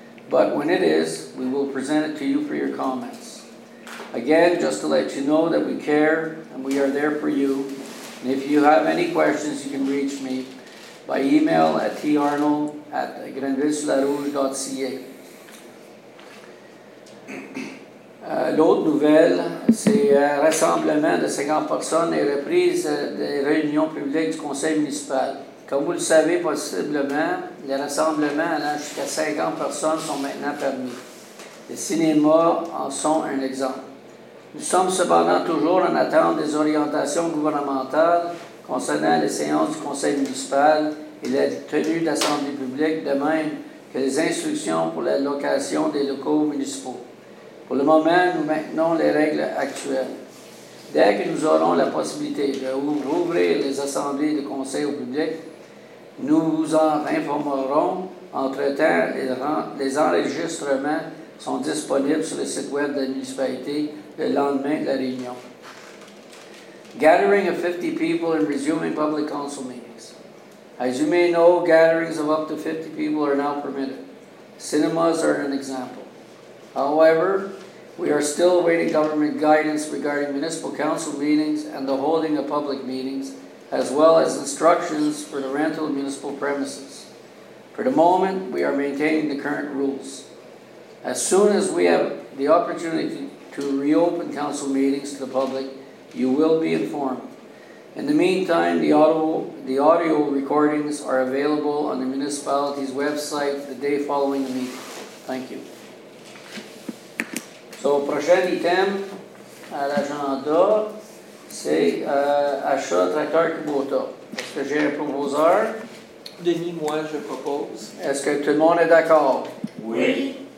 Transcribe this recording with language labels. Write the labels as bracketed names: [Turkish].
[English] But when it is, we will present it to you for your comments. Again, just to let you know that we care and we are there for you. And if you have any questions, you can reach me by email at tarnold@grandvillesoulaRouge.ca. [French] L'autre nouvelle, c'est un rassemblement de 50 personnes et reprise des réunions publiques du conseil municipal. Comme vous le savez possiblement, les rassemblements allant jusqu'à 50 personnes sont maintenant permis. Les cinémas en sont un exemple. Nous sommes cependant toujours en attente des orientations gouvernementales concernant les séances du conseil municipal et la tenue d'assemblées publiques, de même que les instructions pour la location des locaux municipaux. Pour le moment, nous maintenons les règles actuelles. Dès que nous aurons la possibilité de rouvrir les assemblées de conseil au public, nous vous en informerons. Entre-temps, les enregistrements sont disponibles sur le site web de la municipalité le lendemain de la réunion. [English] Gathering of 50 people and resuming public council meetings. As you may know, gatherings of up to 50 people are now permitted. Cinemas are an example. However, we are still awaiting government guidance regarding municipal council meetings and the holding of public meetings, as well as instructions for the rental of municipal premises. For the moment, we are maintaining the current rules. As soon as we have the opportunity to reopen council meetings to the public, you will be informed. In the meantime, the audio recordings are available on the municipality's website the day following the meeting. Thank you. [French] So, prochain item à l'agenda, c'est achat tracteur Kubota. Est-ce que j'ai un proposeur? Denis, moi, je propose. Est-ce que tout le monde est d'accord? Oui.